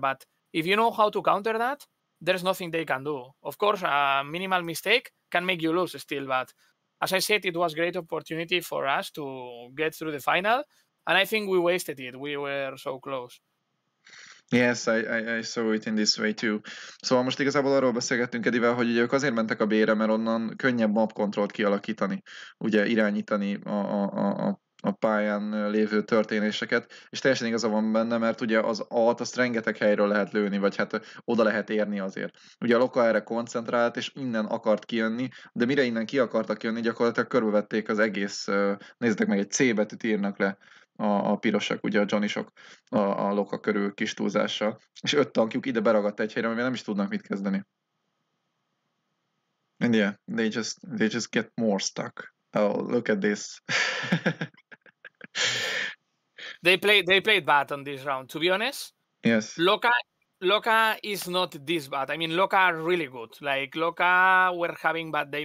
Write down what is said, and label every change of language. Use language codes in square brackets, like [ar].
[en] But if you know how to counter that, there's nothing they can do. Of course, a minimal mistake can make you lose still. But as I said, it was a great opportunity for us to get through the final. And I think we wasted it. We were so close. Yes, I saw it in this way too. [hu] Szóval most igazából arról beszélgettünk Edivel, hogy ugye ők azért mentek a B-re, mert onnan könnyebb map kontrollt kialakítani, ugye irányítani a pályán lévő történéseket, és teljesen igaza van benne, mert ugye az A-t azt rengeteg helyről lehet lőni, vagy hát oda lehet érni azért. Ugye a Loka erre koncentrált, és innen akart kijönni, de mire innen ki akartak jönni, gyakorlatilag körbevették az egész, nézzétek meg, egy C betűt írnak le a pirosak, ugye a dzsanisok a loka körül kis túlzással, és öt tankjuk ide beragadt egy helyre, amivel nem is tudnak mit kezdeni. [en] And yeah, they just get more stuck. Oh, look at this. They played bad on this round, to be honest. Yes. Loka is not this bad. I mean, Loka are really good. Like, Loka were having bad day.